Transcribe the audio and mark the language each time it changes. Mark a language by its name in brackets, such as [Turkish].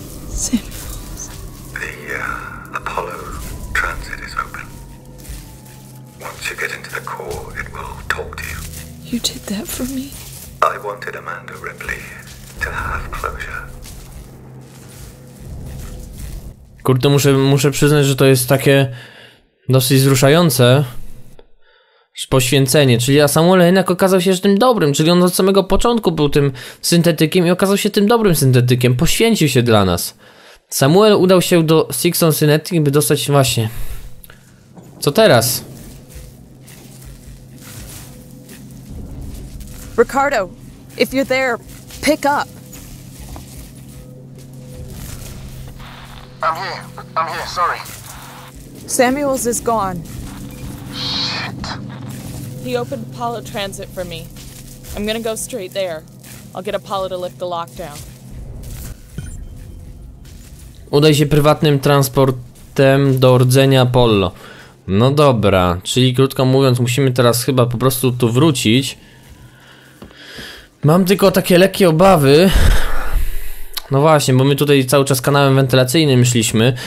[English] Samuels. The Apollo transit is open. Once you get into the core, it will talk to you. You did that for me? I wanted Amanda Ripley to have closure. [Polish] Kurde, muszę przyznać, że to jest takie dosyć wzruszające. Poświęcenie, czyli Samuel jednak okazał się, że tym dobrym, czyli on od samego początku był tym syntetykiem i okazał się tym dobrym syntetykiem, poświęcił się dla nas. Samuel udał się do Sixon Synetic, by dostać właśnie... Co teraz? [English] Ricardo, if you're there, pick up. I'm here, sorry. Samuels is gone. He opened Apollo Transit for me. I'm gonna go straight there. I'll get Apollo to lift the lockdown. [Polish] Udaj się prywatnym transportem do rdzenia Apollo. No dobra, czyli krótko mówiąc, musimy teraz chyba po prostu tu wrócić. Mam tylko takie lekkie obawy. No właśnie, bo my tutaj cały czas kanałem wentylacyjnym szliśmy.